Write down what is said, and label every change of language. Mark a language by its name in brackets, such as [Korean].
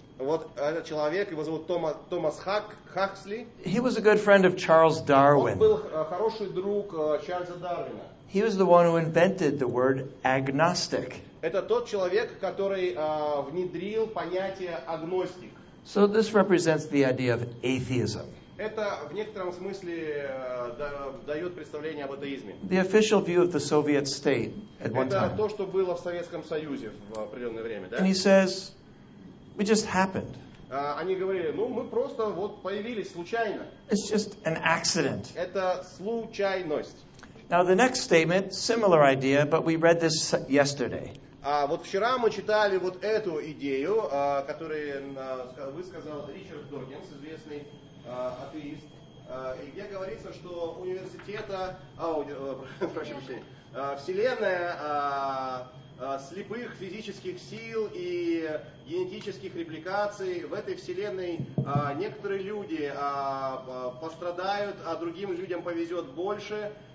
[Russian] Вот этот человек, его зовут Томас Хаксли. [English] He was a good friend of Charles Darwin. [Russian] Он был хороший друг Чарльза Дарвина. [English] He was the one who invented the word agnostic. [Russian] Это тот человек, который внедрил понятие агностик. [English] So this represents the idea of atheism. [Russian] Это в некотором смысле дает представление об атеизме. [English] The official view of the Soviet state at one time. [Russian] Это то, что было в Советском Союзе в определенное время, да? [English] And he says, it just happened. [Russian] Они говорили, ну мы просто вот появились случайно. [English] It's just an accident. [Russian] Это случайность. [English] Now the next statement, similar idea, but we read this yesterday. [Russian] Вот вчера мы читали вот эту идею, которую высказал Ричард Докинс, известный атеист, и где говорится, что университета, прошу прощения, вселенная слепых физических сил и генетических репликаций, в этой вселенной некоторые люди пострадают, а другим людям повезет больше.